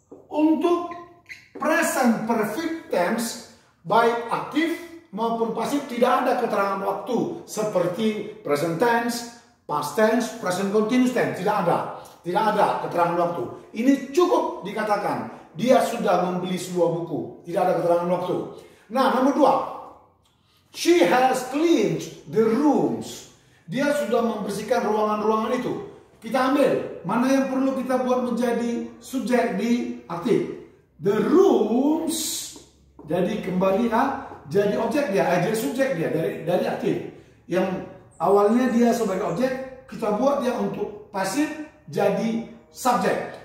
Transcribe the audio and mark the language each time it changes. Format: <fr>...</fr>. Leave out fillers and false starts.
<id>Untuk present perfect tense, baik aktif maupun pasif, tidak ada keterangan waktu seperti present tense, past tense, present continuous tense. Tidak ada, tidak ada keterangan waktu. Ini cukup dikatakan dia sudah membeli sebuah buku. Tidak ada keterangan waktu. Nah, nomor dua,</id> <en>she has cleaned the rooms.</en> <id>Dia sudah membersihkan ruangan-ruangan itu. Kita ambil mana yang perlu kita buat menjadi subjek di aktif. The rooms, jadi kembali ya, jadi objek dia, jadi subjek dia dari aktif. Yang awalnya dia sebagai objek, kita buat dia untuk pasif jadi subjek.</id>